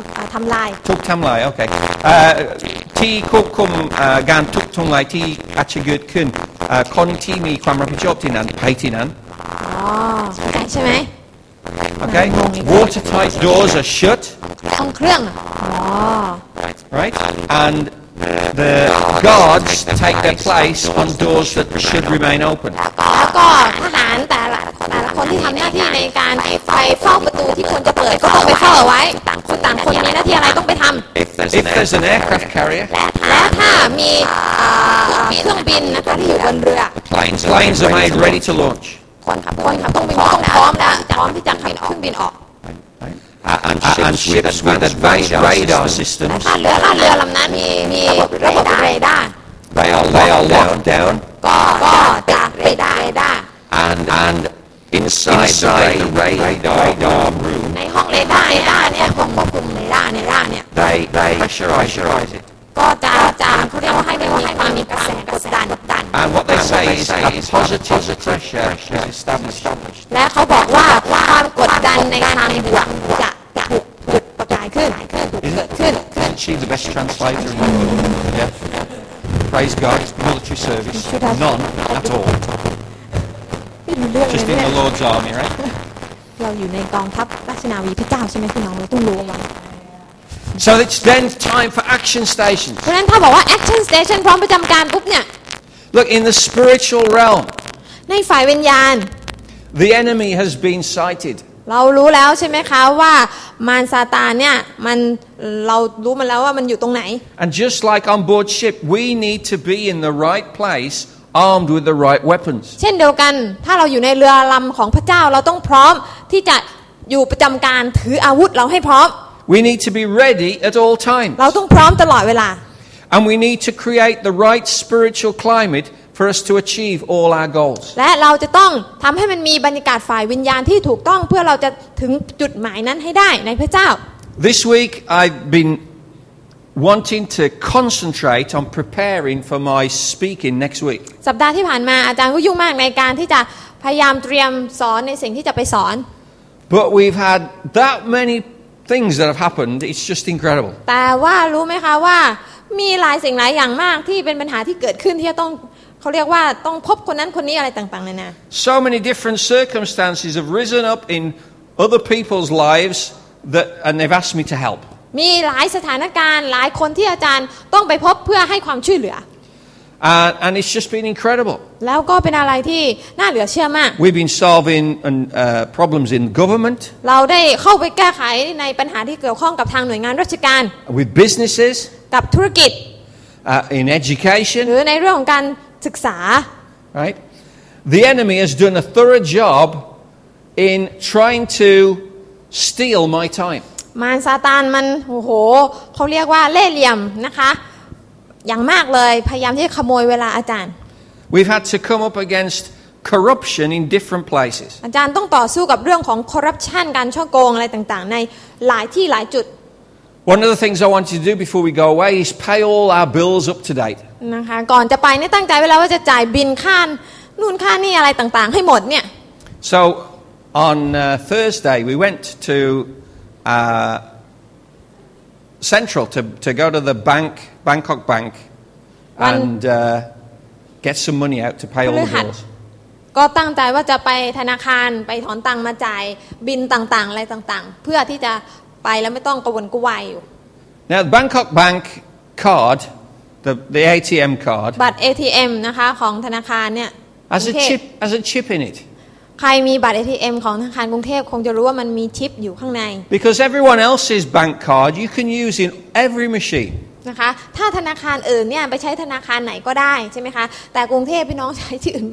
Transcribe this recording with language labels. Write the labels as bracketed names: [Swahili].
[Thai] ทำลายโอเคที่ควบคุมการทุกทงลายที่อาจจะเกิดขึ้นคนที่มีความรับผิดชอบที่นั้นไปที่นั้น ใช่ไหม [English] โอเค watertight doors are shut [Thai] ห้องเครื่อง [English] right andThe guards take their place on doors that should remain open. [Thai] แล้วก็ทหารแต่ละคนที่ทำหน้าที่ในการไปเฝ้าประตูที่ควรจะเปิดก็ต้องไปเฝ้าไว้คนต่างคนมีหน้าที่อะไรต้องไปทำ [English] If there's an aircraft carrier, [Thai] และถ้ามีเครื่องบินนะคะที่อยู่บนเรือ [English] planes are made ready to launch. [Thai] คนขับต้องมีต้องพร้อมแล้วพร้อมที่จะขับเครื่องบินออก [English] And ships with advanced radar systems. [Thai] ถ้าเรือลำนั้นมีระบบเรดาร์ [English] They are locked down. [Thai] ก็จะไม่ได้ [English] And inside the radar room. [Thai] ในห้องเรดาร์เนี่ยห้องควบคุมเรดาร์เนี่ย [English] They pressurize it. [Thai] ก็จะเขาเรียกว่าให้มีความมีกระแสกดดัน [English] And what they say is a positive pressure is established. [Thai] และเขาบอกว่าความกดดันในทางบวกจะถูกปลดปล่อยขึ้น [English] Is she the best translator in the world? Yeah. Praise God. Military service. None at all. Just in the Lord's army, right? [Thai] เราอยู่ในกองทัพราชนาวีพระเจ้าใช่ไหมพี่น้องเราต้องรู้ไว้ [English] So it's then time for action stations. [Thai] เพราะฉะนั้นถ้าบอกว่า [English] action station [Thai] พร้อมประจำการปุ๊บเนี่ย [English] Look in the spiritual realm. [Thai] ในฝ่ายวิญญาณ [English] The enemy has been sighted. [Thai] เรารู้แล้วใช่ไหมคะว่ามารซาตานเนี่ยมันเรารู้มาแล้วว่ามันอยู่ตรงไหน [English] And just like on board ship we need to be in the right place armed with the right weapons [Thai] เช่นเดียวกันถ้าเราอยู่ในเรือลำของพระเจ้าเราต้องพร้อมที่จะอยู่ประจำการถืออาวุธเราให้พร้อม [English] We need to be ready at all times [Thai] เราต้องพร้อมตลอดเวลา [English] And we need to create the right spiritual climateFor us to achieve all our goals. [Thai] และเราจะต้องทำให้มันมีบรรยากาศฝ่ายวิญญาณที่ถูกต้องเพื่อเราจะถึงจุดหมายนั้นให้ได้ในพระเจ้า [English] This week I've been wanting to concentrate on preparing for my speaking next week. [Thai] สัปดาห์ที่ผ่านมาอาจารย์ก็ยุ่งมากในการที่จะพยายามเตรียมสอนในสิ่งที่จะไปสอน [English] But we've had that many things that have happened. It's just incredible. [Thai] แต่ว่ารู้ไหมคะว่ามีหลายสิ่งหลายอย่างมากที่เป็นปัญหาที่เกิดขึ้นที่จะต้องเขาเรียกว่าต้องพบคนนั้นคนนี้อะไรต่างๆนานา [English] So many different circumstances have risen up in other people's lives that and they've asked me to help [Thai] มีหลายสถานการณ์หลายคนที่อาจารย์ต้องไปพบเพื่อให้ความช่วยเหลือ [English] and it's just been incredible [Thai] แล้วก็เป็นอะไรที่น่าเหลือเชื่อมาก [English] We've been solving problems in government [Thai] เราได้เข้าไปแก้ไขในปัญหาที่เกี่ยวข้องกับทางหน่วยงานราชการ [English] with businesses [Thai] กับธุรกิจ [English] in education [Thai] หรือในเรื่องของการศึกษา [English] right the enemy has done a thorough job in trying to steal my time [Thai] มารซาตานมันโอ้โหเขาเรียกว่าเล่ห์เหลี่ยมนะคะอย่างมากเลยพยายามที่จะขโมยเวลาอาจารย์ [English] we've had to come up against corruption in different places [Thai] อาจารย์ต้องต่อสู้กับเรื่องของคอร์รัปชันการฉ้อโกงอะไรต่างๆในหลายที่หลายจุด [English] one of the things I want to do before we go away is pay all our bills up to date [Thai] นะคะก่อนจะไปเนี่ยตั้งใจไว้แล้วว่าจะจ่ายบิลค่านู่นค่านี่อะไรต่างๆให้หมดเนี่ย [English] So on Thursday we went to central to go to the bank Bangkok bank and get some money out to pay all the bills [Thai] ก็ตั้งใจว่าจะไปธนาคารไปถอนตังค์มาจ่ายบิลต่างๆอะไรต่างๆเพื่อที่จะไปแล้วไม่ต้องกระวนกระวายอยู่ [English] Now the Bangkok bank cardThe ATM card. [Thai] บัตร ATM นะคะของธนาคารเนี่ย [English] As a chip in it. [Thai] ใครมีบัตร ATM ของธนาคารกรุงเทพคงจะรู้ว่ามันมีชิปอยู่ข้างใน [English] Because everyone else's bank card you can use in every machine. [Thai] นะคะถ้าธนาคารอื่นเนี่ยไปใช้ธนาคารไหนก็ได้ใช่ไหมคะแต่กรุงเทพพี่น้องใช้ที่อื่น